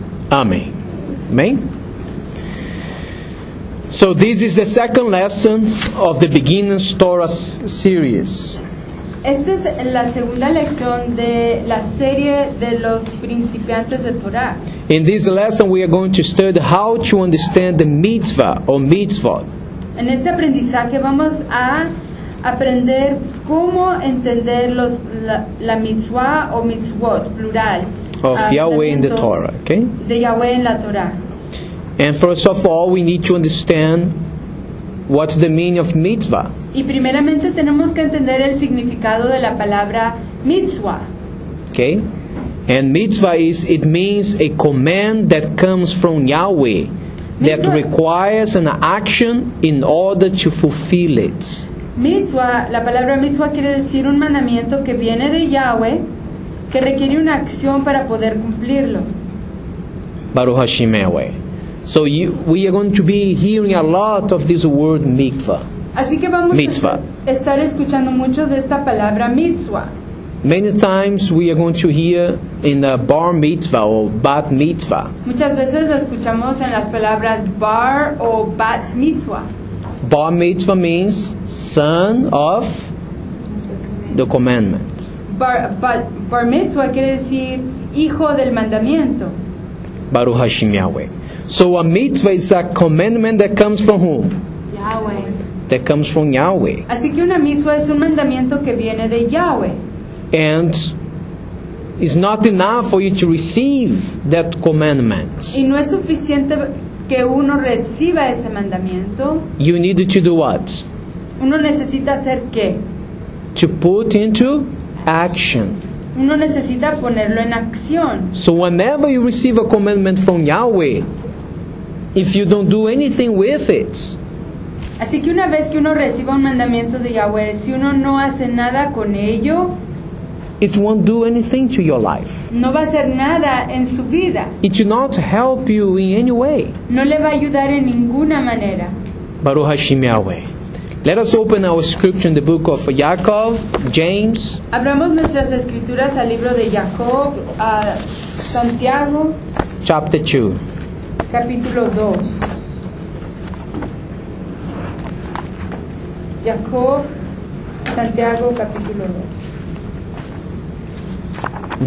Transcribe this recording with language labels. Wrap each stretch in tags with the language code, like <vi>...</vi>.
<en>Amen. Amen. So this is the second lesson of the beginning Torah series.</en> <es>Esta es la segunda lección de la serie de los principiantes de Torah.</es> <en>In this lesson we are going to study how to understand the mitzvah or mitzvot.</en> <es>En este aprendizaje vamos a aprender cómo entender la mitzvah o mitzvot plural.</es> <en>Of Yahweh in the Torah, okay?</en> <es>De Yahweh en la Torah.</es> <en>And first of all, we need to understand what's the meaning of mitzvah.</en> <es>Y primeramente tenemos que entender el significado de la palabra mitzvah.</es> <en>Okay? And mitzvah is, it means a command that comes from Yahweh that requires an action in order to fulfill it.</en> <es>Mitzvah, la palabra mitzvah quiere decir un mandamiento que viene de Yahweh que requiere una acción para poder cumplirlo.</es> <he>Baruch Hashem Yahweh.</he> <en>So we are going to be hearing a lot of this word mitzvah.</en> <es>Así que vamos mitzvah. A estar escuchando mucho de esta palabra mitzvah.</es> <en>Many times we are going to hear in the bar mitzvah or bat mitzvah.</en> <es>Muchas veces lo escuchamos en las palabras bar o bat mitzvah.</es> <en>Bar mitzvah means son of the commandment.</en> <es>Bar mitzvah quiere decir hijo del mandamiento.</es> <he>Baruch Hashem Yahweh.</he> <en>So a mitzvah is a commandment that comes from whom? Yahweh. That comes from Yahweh.</en> <es>Así que una mitzvah es un mandamiento que viene de Yahweh.</es> <en>And it's not enough for you to receive that commandment.</en> <es>Y no es suficiente que uno reciba ese mandamiento.</es> <en>You need to do what?</en> <es>Uno necesita hacer qué?</es> <en>To put into action.</en> <es>Uno necesita ponerlo en acción.</es> <en>So whenever you receive a commandment from Yahweh, if you don't do anything with it,</en> <es>Así que una vez que uno reciba un mandamiento de Yahweh, si uno no hace nada con ello,</es> <en>it won't do anything to your life.</en> <es>No va a hacer nada en su vida.</es> <en>It will not help you in any way.</en> <es>No le va a ayudar en ninguna manera.</es> <he>Baruch Hashem Yahweh.</he> <en>Let us open our scripture in the book of Jacob, James.</en> <es>Abramos nuestras escrituras al libro de Jacob, Santiago.</es> <en>Chapter 2.</en> <es>Capítulo 2. Jacob, Santiago, capítulo 2.</es>